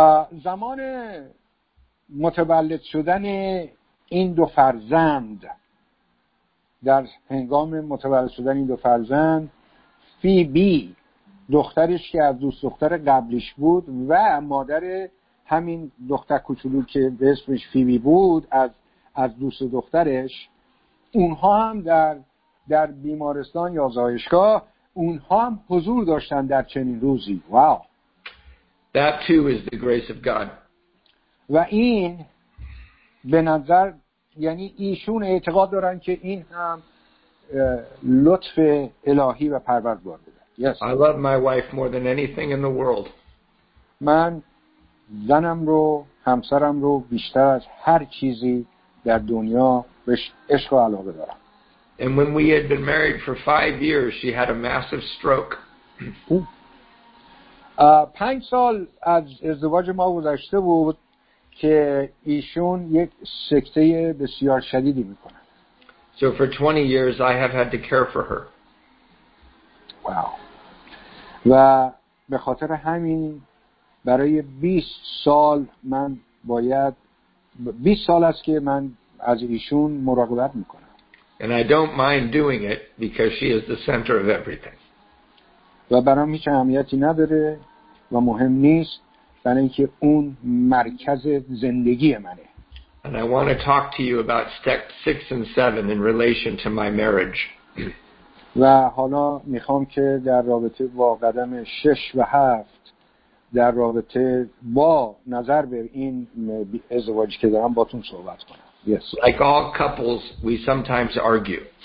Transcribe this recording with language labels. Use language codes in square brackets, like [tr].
[fa] زمان متولد شدن این دو فرزند، در هنگام متولد شدن این دو فرزند، فیبی دخترش که از دوست دختر قبلش بود و مادر همین دختر کوچولو که به اسمش فیبی بود از دوست دخترش، اونها هم در بیمارستان یا زایشگاه اونها هم حضور داشتن در چنین روزی. واو. [en] That too is the grace of God. [fa] و این به نظر، یعنی ایشون اعتقاد دارن که این هم لطف الهی و پروردگار بوده. [en] Yes. I love my wife more than anything in the world. [fa] من زنم رو، همسرم رو بیشتر از هر چیزی در دنیا بهش عشق و علاقه دارم. [en] And when we had been married for 5 years, she had a massive stroke. [fa] 5 سال از ازدواج ما گذشته بود که ایشون یک سکته بسیار شدیدی میکنه. [en] So for 20 years I have had to care for her. Wow. [fa] و به خاطر همین برای 20 سال من باید 20 سال است که من از ایشون مراقبت میکنم. [en] And I don't mind doing it because she is the center of everything. [fa] و برام هیچ اهمیتی نداره و مهم نیست، برای اینکه اون مرکز زندگی منه. [en] And I want to talk to you about steps 6 and 7 in relation to my marriage. [fa] و حالا میخوام که در رابطه با قدم 6 و 7 در رابطه با نظر به این ازدواج که دارم باهاتون صحبت کنم. [en] Yes. Like all couples, we sometimes argue.